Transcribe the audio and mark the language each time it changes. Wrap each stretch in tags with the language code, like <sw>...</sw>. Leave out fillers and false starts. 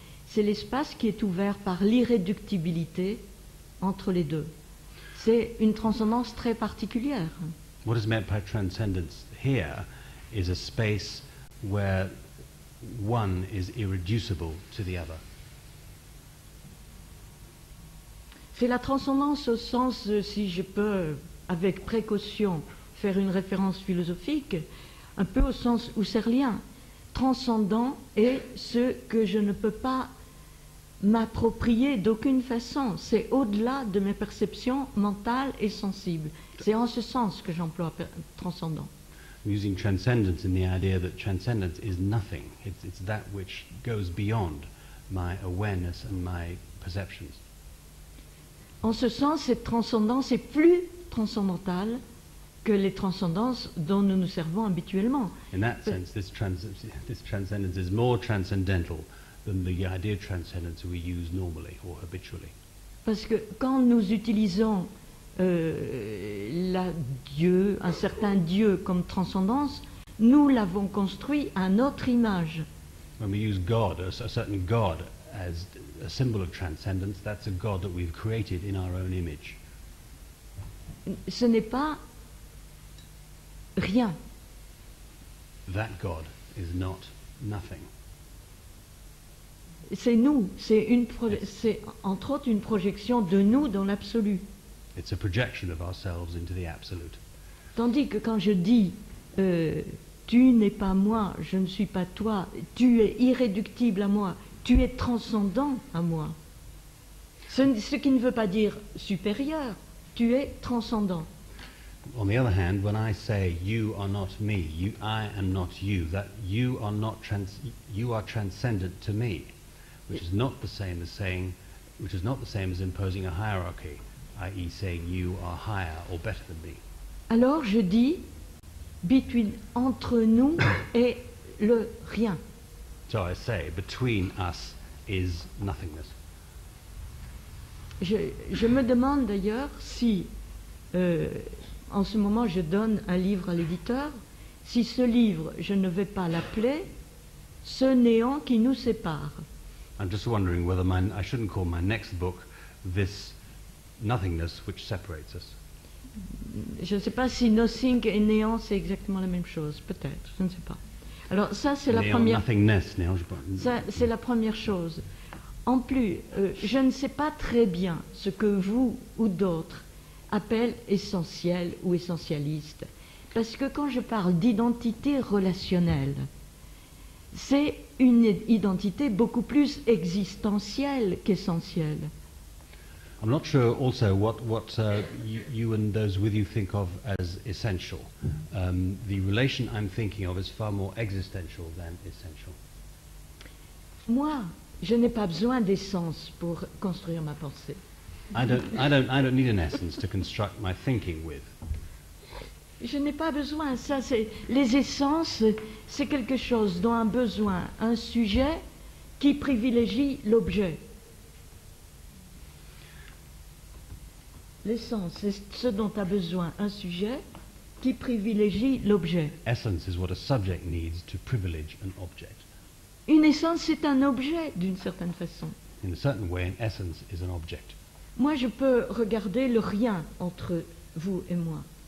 <fr>C'est l'espace qui est ouvert par l'irréductibilité entre les deux. C'est une transcendance très particulière.</fr> <en>What is meant by transcendence here is a space where one is irreducible to the other.</en> <fr>C'est la transcendance au sens, si je peux avec précaution faire une référence philosophique, un peu au sens husserlien. Transcendant est ce que je ne peux pas m'approprier d'aucune façon. C'est au-delà de mes perceptions mentales et sensibles. C'est en ce sens que j'emploie transcendant.</fr> <en>I'm using transcendence in the idea that transcendence is nothing. It's that which goes beyond my awareness and my perceptions.</en> <fr>En ce sens, cette transcendance est plus transcendantale que les transcendances dont nous nous servons habituellement.</fr> <en>In that sense, this transcendence is more transcendental than the idea of transcendence we use normally or habitually.</en> <fr>Parce que quand nous utilisons un certain Dieu comme transcendance, nous l'avons construit à notre image.</fr> <en>When we use God, a certain God, as a symbol of transcendence, that's a God that we've created in our own image.</en> <fr>Ce n'est pas rien.</fr> <en>That God is not nothing.</en> <fr>C'est nous, c'est entre autres une projection de nous dans l'absolu.</fr> <en>It's a projection of ourselves into the absolute.</en> <fr>Tandis que quand je dis tu n'es pas moi, je ne suis pas toi, tu es irréductible à moi, tu es transcendant à moi. Ce qui ne veut pas dire supérieur, tu es transcendant.</fr> <en>On the other hand, when I say you are not me, you, I am not you, that you are not you are transcendent to me. Which is not the same as saying, which is not the same as imposing a hierarchy, i.e. saying you are higher or better than me.</en> <fr>Alors je dis, between entre nous et le rien.</fr> <en>So I say, between us is nothingness.</en> <fr>Je me demande d'ailleurs si, en ce moment je donne un livre à l'éditeur, si ce livre, je ne vais pas l'appeler, ce néant qui nous sépare.</fr> <en>I'm just wondering whether I shouldn't call my next book this nothingness which separates us.</en> <fr>Je ne sais pas si nothing et néant c'est exactement la même chose, peut-être, je ne sais pas. Alors ça c'est néant, la première nothingness, néant, je pense. Ça c'est la première chose. En plus, je ne sais pas très bien ce que vous ou d'autres appellent essentiel ou essentialiste, parce que quand je parle d'identité relationnelle, c'est une identité beaucoup plus existentielle qu'essentielle.</fr> <en>I'm not sure also what you and those with you think of as essential. The relation I'm thinking of is far more existential than essential.</en> <fr>Moi, je n'ai pas besoin d'essence pour construire ma pensée.</fr> <en>I don't need an essence to construct my thinking with.</en> <fr>Je n'ai pas besoin, ça c'est... Les essences, c'est quelque chose dont un besoin, un sujet qui privilégie l'objet. L'essence, c'est ce dont a besoin un sujet qui privilégie l'objet.</fr> <en>Essence is what a subject needs to privilege an object.</en> <fr>Une essence, c'est un objet, d'une certaine façon.</fr> <en>In a certain way, an essence is an object.</en> <fr>Moi, je peux regarder le rien entre vous et moi.</fr>